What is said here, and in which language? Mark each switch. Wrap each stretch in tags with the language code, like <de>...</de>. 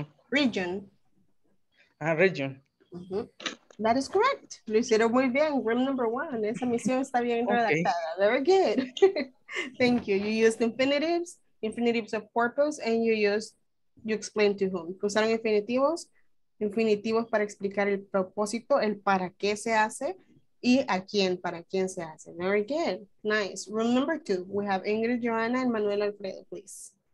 <en>Region. Mm-hmm. That is correct.</en> <es>Lo hicieron muy bien.</es> <en>Room number one.</en> <es>Esa misión está bien redactada. Okay.</es> <en>Very good. Thank you. You used infinitives, infinitives of purpose, and you used, you explained to whom.</en> <es>Usaron infinitivos. Infinitivos para explicar el propósito, el para qué se hace y a quién, para quién se hace.</es> <en>Very good. Nice. Room number two. We have Ingrid, Joanna, and Manuel Alfredo, please.</en>